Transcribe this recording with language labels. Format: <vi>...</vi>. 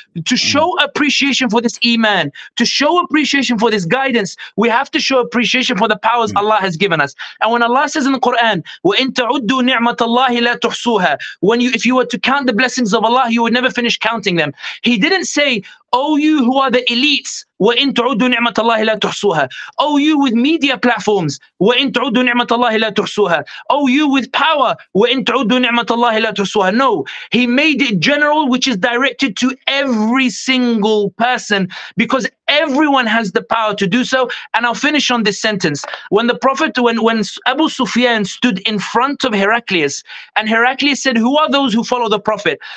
<en>To show appreciation for this iman, to show appreciation for this guidance, we have to show appreciation for the powers Allah has given us. And when Allah says in the Quran,</en> <ar>وَإِن تَعُدُّوا نِعْمَةَ اللَّهِ لَا تُحْصُوهَا,</ar> <en>when you, if you were to count the blessings of Allah, you would never finish counting them. He didn't say, oh, you who are the elites,</en> <ar>وَإِن تَعُدُّوا نِعْمَةَ اللَّهِ لَا تُحْصُوهَا.</ar> <en>Oh, you with media platforms,</en> <ar>وَإِن تَعُدُّوا نِعْمَةَ اللَّهِ لَا تُحْصُوهَا.</ar> <en>Oh, you with power,</en> <ar>وَإِن تَعُدُّوا نِعْمَةَ اللَّهِ لَا تُحْصُوهَا.</ar> <en>No, He made it general, which is directed to every single person, because everyone has the power to do so. And I'll finish on this sentence. When the Prophet, when Abu Sufyan stood in front of Heraclius, and Heraclius said, who are those who follow the Prophet?</en>